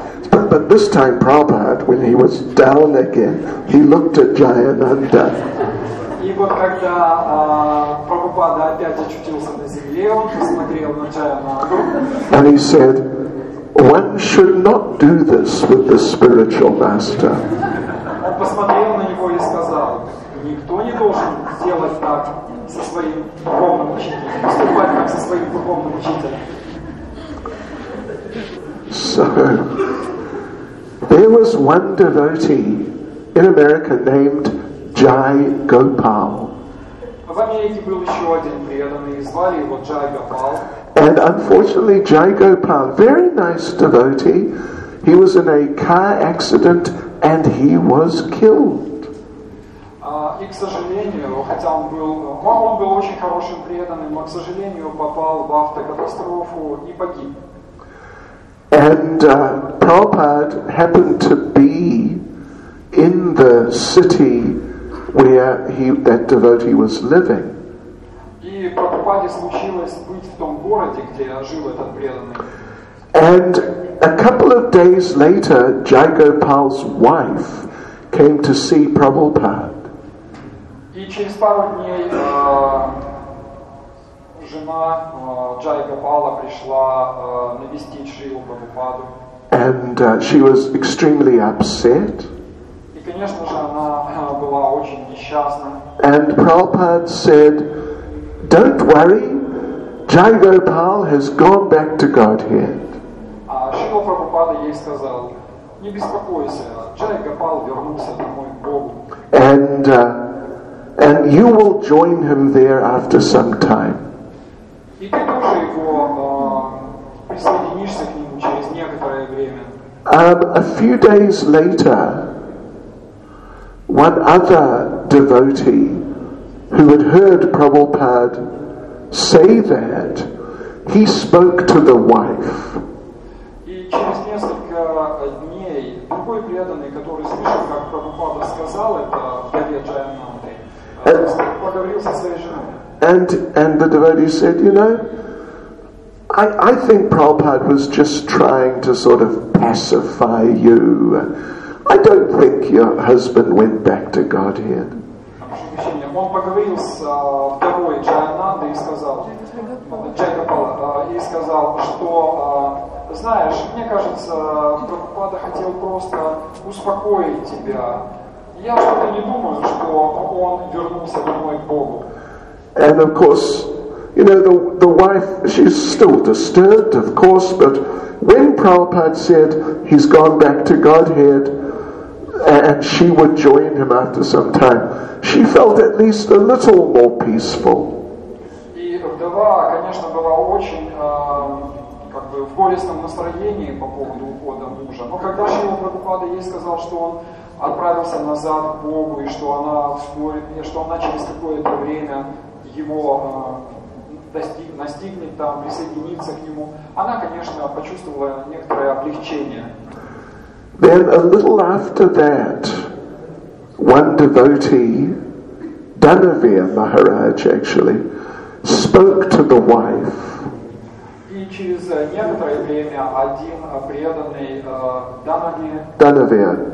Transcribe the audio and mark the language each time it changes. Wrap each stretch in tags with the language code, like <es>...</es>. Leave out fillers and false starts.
<en>But this time Prabhupada, when he was down again, he looked at Jayananda.</en> <ru>И вот когда Прабхупада опять очутился на земле, он посмотрел на Джаянанду.</ru> <en>And he said, one should not do this with the spiritual master.</en> <ru>Он посмотрел на него и сказал, никто не должен сделать так со своим духовным учителем, поступать так со своим духовным учителем.</ru> <en>So, there was one devotee in America named Jai Gopal.</en> <ru>В Америке был еще один преданный, звали его Jai Gopal.</ru> <en>And unfortunately, Jai Gopal, very nice devotee, he was in a car accident and he was killed.</en> <ru>И к сожалению, хотя он был очень хорошим преданным, но к сожалению попал в автокатастрофу и погиб.</ru> <en>And Prabhupada happened to be in the city where that devotee was living.</en> <ru>И Прабхупаде случилось быть в том городе, где жил этот преданный.</ru> <en>And a couple of days later, Jai Gopal's wife came to see Prabhupada.</en> <ru>И через пару дней жена Jai Gopala пришла навестить Шрилу Прабхупаду.</ru> <en>And she was extremely upset.</en> <ru>Конечно же, она была очень несчастна.</ru> <en>And Prabhupada said, "Don't worry, Jai Gopal has gone back to Godhead."</en> <ru>А Шрила Прабхупада ей сказал, "Не беспокойся, Jai Gopal вернулся домой к Богу."</ru> <en>And you will join him there after some time.</en> <ru>И ты тоже его присоединишься к нему через некоторое время.</ru> <en>A few days later, one other devotee who had heard Prabhupada say that, he spoke to the wife.</en> <ru>И через несколько дней другой преданный, который слышал, как Прабхупада сказал это в горе Джайананды, поговорил со своей женой.</ru> <en>And the devotee said, you know, I think Prabhupada was just trying to sort of pacify you. I don't think your husband went back to Godhead.</en> <ru>Он поговорил с второй Джаянандой и сказал, Jai Gopal, и сказал, что, знаешь, мне кажется, Прабхупада хотел просто успокоить тебя. Я что-то не думаю, что он вернулся домой к Богу.</ru> <en>And of course, you know, the wife, she's still disturbed, of course, but when Prabhupada said he's gone back to Godhead, and she would join him after some time, she felt at least a little more peaceful.</en> <ru>И вдова, конечно, была очень как бы в горестном настроении по поводу ухода мужа. Но когда Шрила Прабхупада ей сказал, что он отправился назад к Богу, и что она вскоре, и что она через какое-то время его настигнет там, присоединится к нему, она, конечно, почувствовала некоторое облегчение.</ru> <en>Then a little after that, one devotee, Dhanavir Maharaj actually, spoke to the wife.</en> <ru>И через некоторое время один преданный</ru>